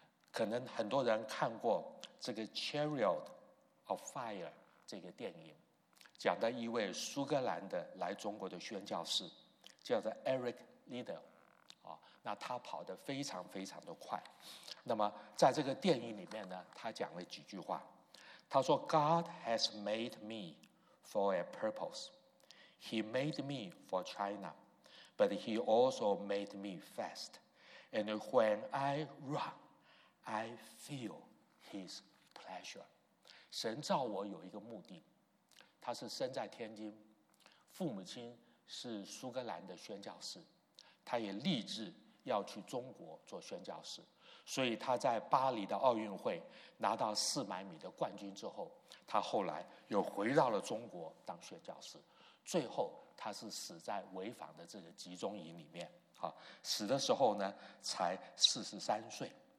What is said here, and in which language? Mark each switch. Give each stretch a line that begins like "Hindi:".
Chinese: 可能很多人看过这个 Chariot of Fire 这个电影，讲的一位苏格兰的来中国的宣教士叫做 Eric Liddell，那他跑得非常非常的快。那么在这个电影里面呢，他讲了几句话，他说
English: God has made me for a purpose. He made me for China, but he also made me fast. And when I runI feel his pleasure.
Chinese: 神造我有一个目的，他是生在天津，父母亲是苏格兰的宣教士，他也立志要去中国做宣教士，所以他在巴黎的奥运会拿到400米的冠军之后，他后来又回到了中国当宣教士，最后他是死在潍坊的这个集中营里面，死的时候呢才43岁。